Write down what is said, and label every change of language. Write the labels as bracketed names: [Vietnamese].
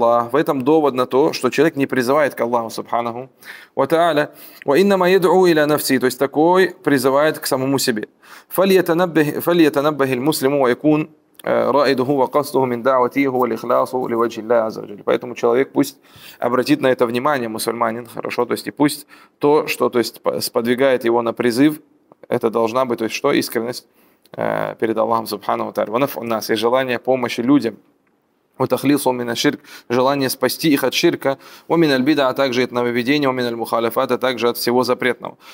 [Russian] В этом довод на то, что человек не призывает к Аллаху Субхану Та'ала. То есть такой призывает к самому себе. [Arabic] فليتنبه المسلم ويكون رائده وقصده من دعوته والإخلاص لوجه الله عز وجل. [Russian] Поэтому человек пусть обратит на это внимание, мусульманин, хорошо, то есть и пусть то, что то есть сподвигает его на призыв, это должна быть, то есть что, искренность перед Аллахом Субхану Тааля. [Arabic] Ванаф у нас [Russian] и желание помощи людям. [Arabic] Утахлису мин аш-ширк, [Russian] желание спасти их от ширка, [Arabic] у мин аль-бида, [Russian] а также от нововведения, [Arabic] у мин аль-мухалифат, [Russian] а также от всего запретного.